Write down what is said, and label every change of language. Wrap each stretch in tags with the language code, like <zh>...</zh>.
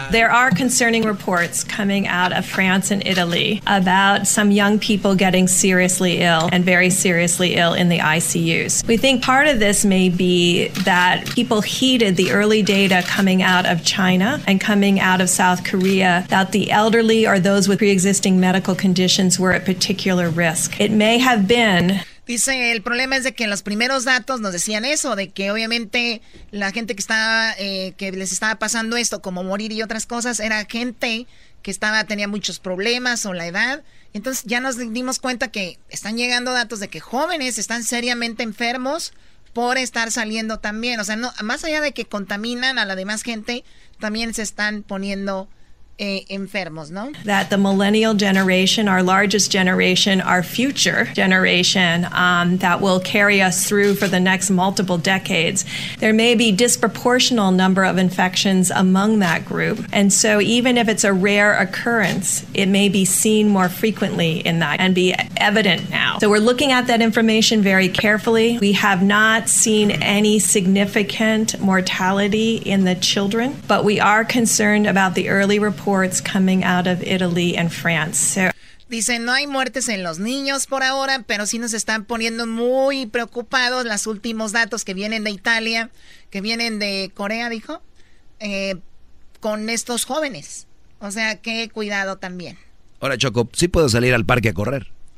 <en>There are concerning reports coming out of France and Italy about some young people getting seriously ill and very seriously ill in the ICUs. We think part of this may be that people heeded the early data coming out of China and coming out of South Korea that the elderly or those with pre-existing medical conditions were at particular risk. It may have been...</en> <es>Dice, el problema es de que en los primeros datos nos decían eso, de que obviamente la gente que estaba, que les estaba pasando esto, como morir y otras cosas, era gente que estaba, tenía muchos problemas o la edad. Entonces ya nos dimos cuenta que están llegando datos de que jóvenes están seriamente enfermos por estar saliendo también. O sea, no, más allá de que contaminan a la demás gente, también se están poniendo enfermos, ¿no?</es> <en>That the millennial generation, our largest generation, our future generation, that will carry us through for the next multiple decades, there may be disproportional number of infections among that group. And so even if it's a rare occurrence, it may be seen more frequently in that and be evident now. So we're looking at that information very carefully. We have not seen any significant mortality in the children, but we are concerned about the early reports coming out of Italy and France.</en> <es>Dice, no hay muertes en los niños por ahora, pero sí nos están poniendo muy preocupados los últimos datos que vienen de Italia, que vienen de Corea, dijo, con estos jóvenes. O sea, qué cuidado también. Ahora, Choco, ¿sí puedo salir al parque a correr?</es>